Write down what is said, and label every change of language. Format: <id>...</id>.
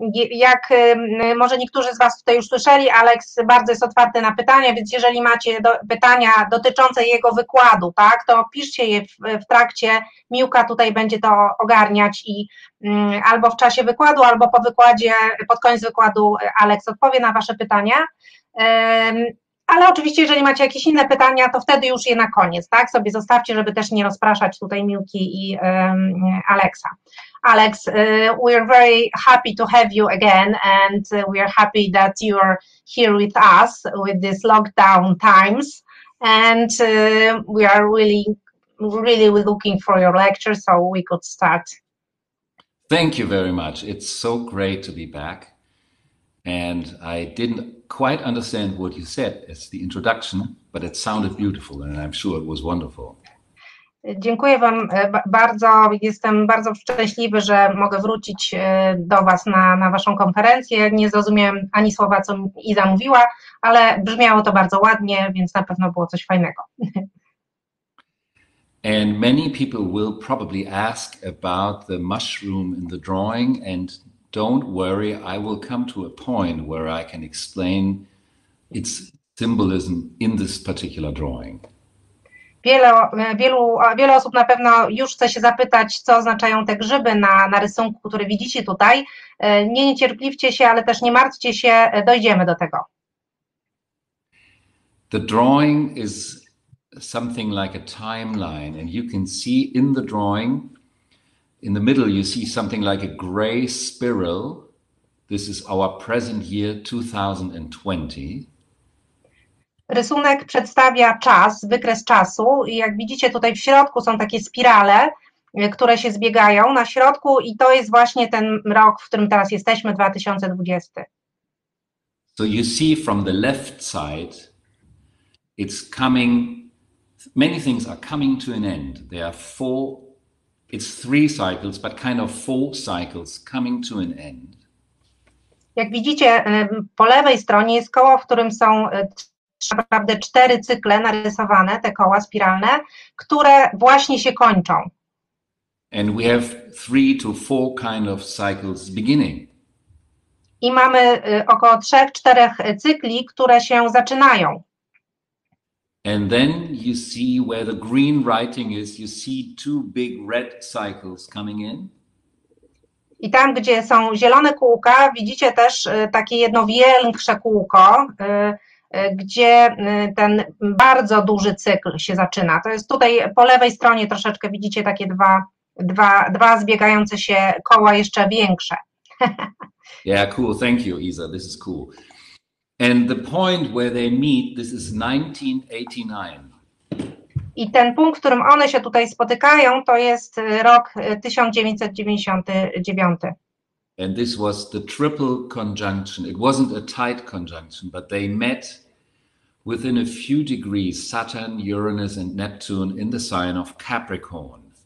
<pl>Jak może niektórzy z Was tutaj już słyszeli, Aleks bardzo jest otwarty na pytania, więc jeżeli macie pytania dotyczące jego wykładu, tak, to piszcie je w trakcie, Miłka tutaj będzie to ogarniać i albo w czasie wykładu, albo po wykładzie, pod koniec wykładu Aleks odpowie na Wasze pytania. Ale oczywiście, jeżeli macie jakieś inne pytania, to wtedy już je na koniec, tak? Sobie zostawcie, żeby też nie rozpraszać tutaj Miłki i Aleksa.</pl> <en>Alex, we are very happy to have you again, and we are happy that you're here with us with this lockdown times, and we are really, really looking for your lecture, so we could start. Thank you very much. It's so great to be back. And I didn't quite understand what you said as the introduction, but it sounded beautiful and I'm sure it was wonderful.</en> <pl>Dziękuję Wam bardzo. Jestem bardzo szczęśliwy, że mogę wrócić do Was na Waszą konferencję. Nie zrozumiałem ani słowa, co Iza mówiła, ale brzmiało to bardzo ładnie, więc na pewno było coś fajnego.</pl> <en>And many people will probably ask about the mushroom in the drawing, and don't worry, I will come to a point where I can explain its symbolism in this particular drawing.</en> <pl>Wiele osób na pewno już chce się zapytać, co oznaczają te grzyby na rysunku, który widzicie tutaj. Nie niecierpliwcie się, ale też nie martwcie się, dojdziemy do tego.</pl> <en>The drawing is something like a timeline, and you can see in the drawing, in the middle, you see something like a gray spiral. This is our present year, 2020.</en> <pl>Rysunek przedstawia czas, wykres czasu. I jak widzicie, tutaj w środku są takie spirale, które się zbiegają na środku, i to jest właśnie ten rok, w którym teraz jesteśmy, 2020.</pl> <en>So you see from the left side, it's coming, many things are coming to an end. There are four. It's three cycles, but kind of four cycles coming to an end.</en> <pl>Jak widzicie, po lewej stronie jest koło, w którym są naprawdę cztery cykle narysowane, te koła spiralne, które właśnie się kończą.</pl> <en>And we have three to four kind of cycles beginning.</en> <pl>I mamy około trzech, czterech cykli, które się zaczynają.</pl> <en>And then you see where the green writing is, you see two big red cycles coming in.</en> <pl>I tam, gdzie są zielone kółka, widzicie też takie jedno większe kółko, gdzie ten bardzo duży cykl się zaczyna. To jest tutaj po lewej stronie troszeczkę widzicie takie dwa zbiegające się koła jeszcze większe.</pl> <en>Yeah, cool. Thank you, Isa. This is cool. And the point where they meet, this is 1989.</en> <pl>I ten punkt, w którym one się tutaj spotykają, to jest rok 1999.</pl> <en>And this was the triple conjunction. It wasn't a tight conjunction, but they met within a few degrees, Saturn, Uranus and Neptune in the sign of Capricorn.</en>